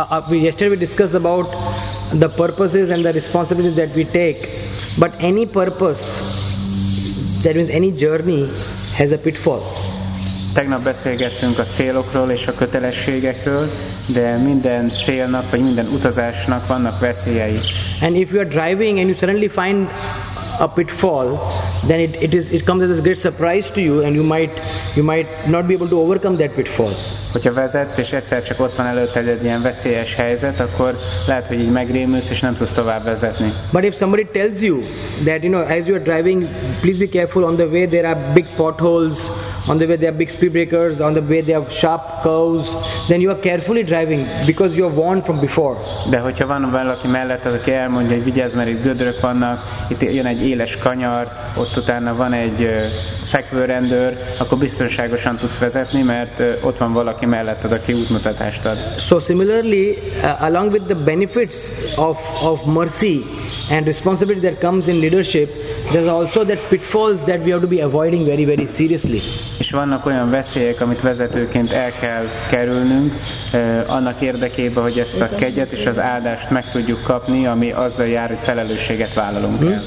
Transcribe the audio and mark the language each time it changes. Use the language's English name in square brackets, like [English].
[English] Yesterday we discussed about the purposes and the responsibilities that we take, but any purpose, that means any journey, has a pitfall. [Hungarian] Tegnap beszélgettünk a célokról és a kötelességekről, de minden célnak vagy minden utazásnak vannak veszélyei. [English] And if you are driving and you suddenly find a pitfall, then it comes as a great surprise to you, and you might not be able to overcome that pitfall. [Hungarian] Hogyha vezetsz és egyszer csak ott van előtted egy ilyen veszélyes helyzet, akkor lehet, hogy így megrémülsz és nem tudsz tovább vezetni. [English] But if somebody tells you that, you know, as you are driving, please be careful on the way, there are big potholes. On the way there are big speed breakers, on the way there are sharp curves, then you are carefully driving because you are warned from before. [Hungarian] De hogyha van valaki mellett, az aki elmondja, hogy vigyázz, mert itt gödrök vannak, itt jön egy éles kanyar, ott utána van egy fekvőrendőr, akkor biztonságosan tudsz vezetni, mert ott van valaki melletted, aki útmutatást ad. [English] So similarly, along with the benefits of mercy and responsibility that comes in leadership, there's also that pitfalls that we have to be avoiding very very seriously. [Hungarian] És vannak olyan veszélyek, amit vezetőként el kell kerülnünk, annak érdekében, hogy ezt a kegyet és az áldást meg tudjuk kapni, ami azzal jár, hogy felelősséget vállalunk.